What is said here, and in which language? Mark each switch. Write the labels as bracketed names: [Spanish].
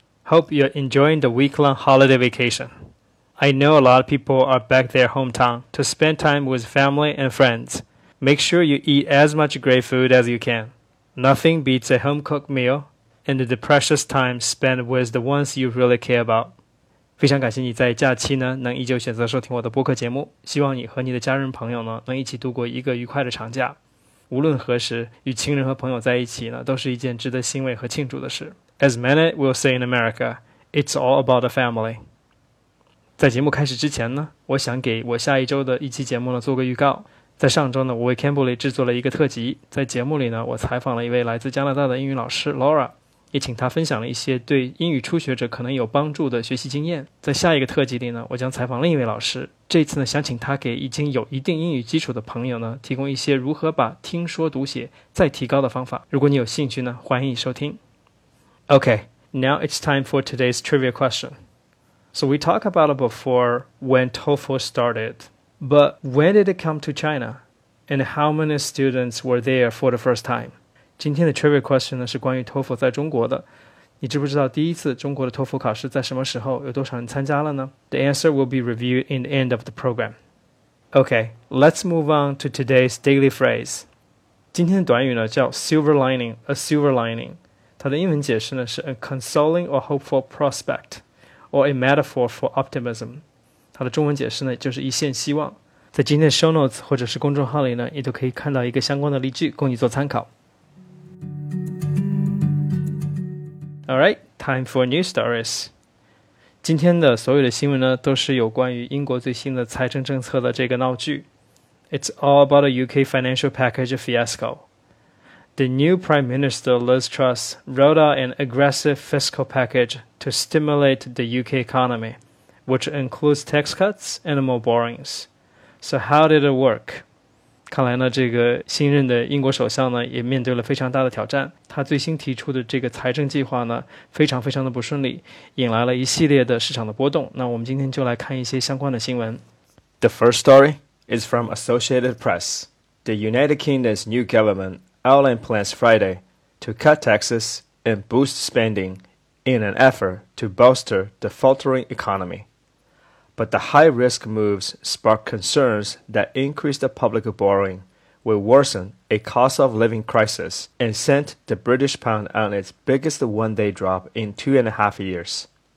[English] Hope you're enjoying the week-long holiday vacation. I know a lot of people are back their hometown to spend time with family and friends. Make sure you eat as much great food as you can. Nothing beats a home-cooked meal and the precious time spent with the ones you really care about. [Chinese] 非常感谢你在假期呢能依旧选择收听我的播客节目，希望你和你的家人朋友呢能一起度过一个愉快的长假。无论何时与亲人和朋友在一起呢，都是一件值得欣慰和庆祝的事。 [English] As many will say in America, it's all about the family. [Chinese] 在节目开始之前呢，我想给我下一周的一期节目呢做个预告。在上周呢，我为 Cambly 制作了一个特辑，在节目里呢，我采访了一位来自加拿大的英语老师 Laura，也请他分享了一些对英语初学者可能有帮助的学习经验。在下一个特辑里呢，我将采访另一位老师，这次呢想请他给已经有一定英语基础的朋友呢提供一些如何把听说读写再提高的方法。如果你有兴趣呢，欢迎你收听。 [English] OK, now it's time for today's trivia question. So we talked about it before when TOEFL started, but when did it come to China? And how many students were there for the first time? [Chinese] 今天的 trivia question 呢是关于 TOEFL 在中国的。你知不知道第一次中国的 TOEFL 考试在什么时候，有多少人参加了呢？ [English] The answer will be reviewed in the end of the program. Okay, let's move on to today's daily phrase. [Chinese] 今天的短语呢叫 [English] silver lining, a silver lining. [Chinese] 它的英文解释呢是 [English] a consoling or hopeful prospect, or a metaphor for optimism. [Chinese] 它的中文解释呢就是一线希望。在今天的 show notes 或者是公众号里呢，你都可以看到一个相关的例句供你做参考。 [English] Alright, time for news stories. [Chinese] 今天的所有的新闻呢都是有关于英国最新的财政政策的这个闹剧。 [English] It's all about the UK financial package fiasco. The new Prime Minister Liz Truss rolled out an aggressive fiscal package to stimulate the UK economy, which includes tax cuts and more borrowings. So how did it work? [Chinese] 看来呢，这个新任的英国首相呢，也面对了非常大的挑战。他最新提出的这个财政计划呢，非常非常的不顺利，引来了一系列的市场的波动。那我们今天就来看一些相关的新闻。 [English] The first story is from Associated Press. The United Kingdom's new government outlined plans Friday to cut taxes and boost spending in an effort to bolster the faltering economy. But the high-risk moves spark concerns that increased public borrowing will worsen a cost-of-living crisis and sent the British pound on its biggest one-day drop in 2.5 years.